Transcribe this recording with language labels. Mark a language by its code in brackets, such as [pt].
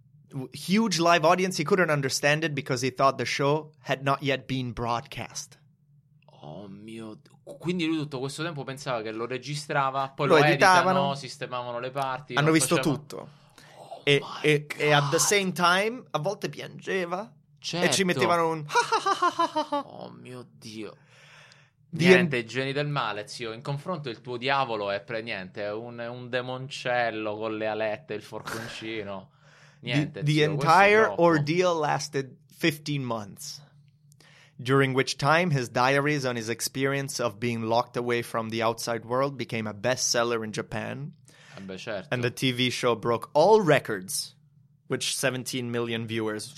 [en] Huge live audience, he couldn't understand it because he thought the show had not yet been broadcast. [it] Oh mio Dio. Quindi lui tutto questo tempo pensava che lo registrava, poi lo editavano, sistemavano le parti, hanno visto tutto. Oh, e [en] at the same time [it] a volte piangeva, certo. E ci mettevano un oh mio Dio. Niente, geni del male, zio. In confronto il tuo diavolo è niente, è un demoncello con le alette, il forconcino. Niente, [en] the entire ordeal lasted 15 months, during which time his diaries on his experience of being locked away from the outside world became a bestseller in Japan. [it] Beh, certo. [en] And the TV show broke all records, which 17 million viewers.